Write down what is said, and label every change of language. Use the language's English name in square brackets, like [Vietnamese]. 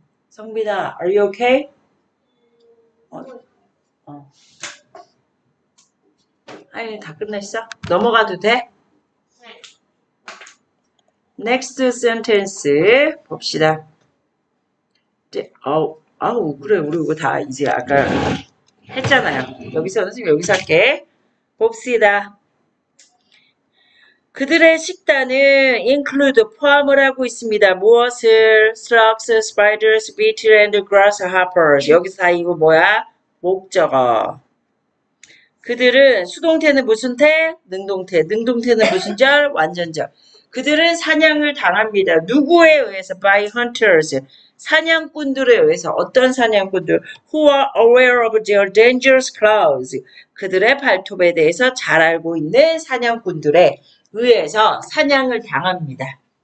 [English] 성빈아, are you okay? [Korean] 아니, 다 끝냈어? 넘어가도 돼? [English] Next sentence [Korean] 봅시다. 아우, 그래. 우리 이거 다 이제 아까 했잖아요. 여기서는 지금 여기서 할게. 봅시다. 그들의 식단은 [English] include [Korean] 포함을 하고 있습니다. 무엇을? [English] Slugs, spiders, beetles, and grasshoppers. [Korean] 여기서 다 이거 뭐야? 목적어. 그들은 수동태는 무슨 태? 능동태. 능동태는 무슨 절? 완전절. 그들은 사냥을 당합니다. 누구에 의해서? [English] By hunters. [Korean] 사냥꾼들에 의해서. 어떤 사냥꾼들? [English] Who are aware of their dangerous claws? [Korean] 그들의 발톱에 대해서 잘 알고 있는 사냥꾼들에 의해서 사냥을 당합니다.